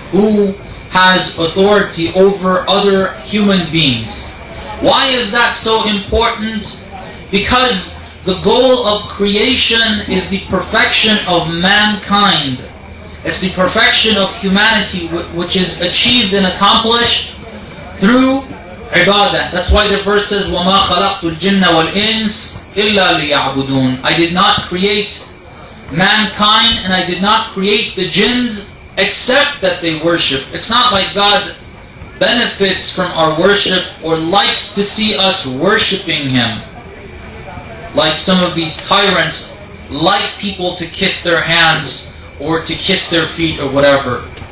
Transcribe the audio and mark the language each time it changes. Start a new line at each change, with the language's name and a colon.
English: Who has authority over other human beings? Why is that so important? Because the goal of creation is the perfection of mankind. It's the perfection of humanity, which is achieved and accomplished through ibadah. That's why the verse says,
Arabic: وَمَا خَلَقْتُ الْجِنَّ وَالْإِنسِ إِلَّا لِيَعْبُدُونَ.
English: I did not create mankind and I did not create the jinns except that they worship. It's not like God benefits from our worship or likes to see us worshiping Him. Like some of these tyrants like people to kiss their hands or to kiss their feet or whatever.